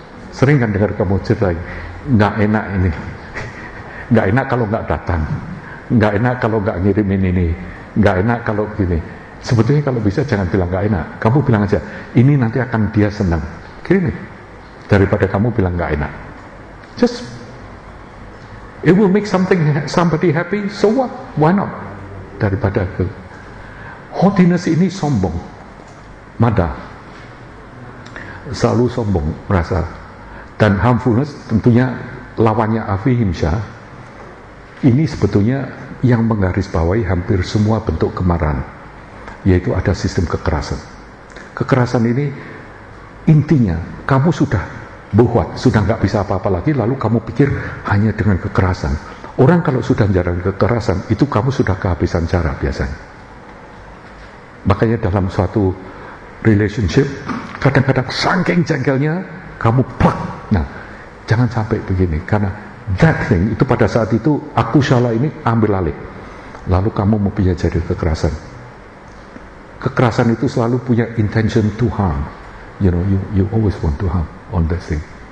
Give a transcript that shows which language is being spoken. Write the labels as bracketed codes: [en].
[id] Sering kan dengar kamu cerita enggak enak ini. Enggak enak kalau enggak datang. Enggak enak kalau enggak ngirimin ini. Enggak enak kalau gini. Sebetulnya kalau bisa jangan bilang enggak enak. Kamu bilang aja ini nanti akan dia senang. Kirimin. Daripada kamu bilang enggak enak. [en] Just it will make somebody happy, so what? Why not? [id] Daripada ke haughtiness ini sombong, mada, selalu sombong merasa, dan harmfulness tentunya lawannya afihimsa. Ini sebetulnya yang menggarisbawahi hampir semua bentuk kemarahan, yaitu ada sistem kekerasan. Kekerasan ini intinya kamu sudah buat, sudah gak bisa apa-apa lagi, lalu kamu pikir hanya dengan kekerasan. Orang kalau sudah jarang kekerasan, itu kamu sudah kehabisan cara biasanya. Makanya dalam suatu relationship, kadang-kadang saking jengkelnya, kamu plak. Nah, jangan sampai begini, karena [en] that thing, [id] itu pada saat itu, aku salah ini ambil alih. Lalu kamu mempunyai jadi kekerasan. Kekerasan itu selalu punya [en] intention to harm. You know, you always want to harm on that thing.